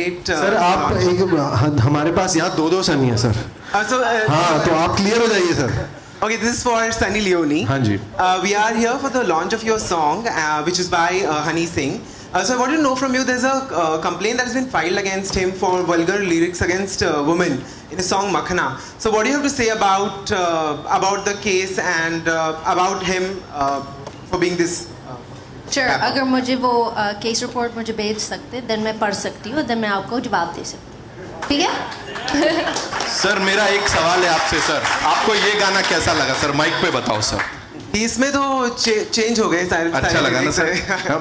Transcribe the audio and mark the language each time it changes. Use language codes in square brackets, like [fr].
[hi] हमारे पास यहाँ दो दो सनी है सर. हाँ, तो आप क्लियर हो जाइए sir. [en] Okay, this is for Sunny Leone. [hi] हाँ जी. [en] We are here for the launch of your song which is by Honey Singh. So I want to know from you, there's a complaint that has been filed against him for vulgar lyrics against a woman in a song Makhna. So what do you have to say about the case and about him for being this? Sure. [hi] अगर मुझे वो case report मुझे भेज सकते, then मैं पढ़ सकती हूँ, then मैं आपको जवाब दे सकती हूँ. ठीक है? सर मेरा एक सवाल है आपसे सर. आपको ये गाना कैसा लगा सर? माइक पे बताओ सर. इसमें तो चेंज हो गए सारे. अच्छा लगा ना सर?